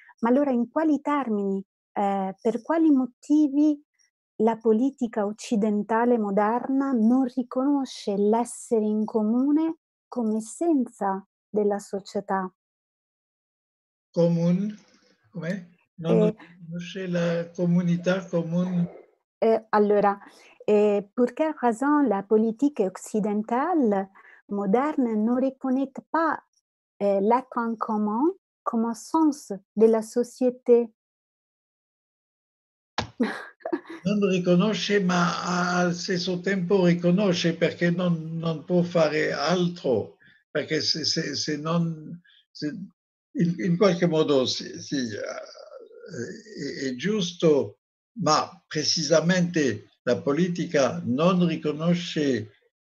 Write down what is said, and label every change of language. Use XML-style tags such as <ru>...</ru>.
<it>Ma allora in quali termini, per quali motivi la politica occidentale moderna non riconosce l'essere in comune come essenza della società? Comune? Come? Non riconosce la comunità comune?</it> <fr>Pour quelle raison la politique occidentale moderne ne reconnaît pas l'être en commun comme un sens de la société?</fr> <it>Non riconosce, ma al stesso tempo riconosce perché non può fare altro, perché se non se, in qualche modo sì, è giusto, ma precisamente la politica non riconosce</it>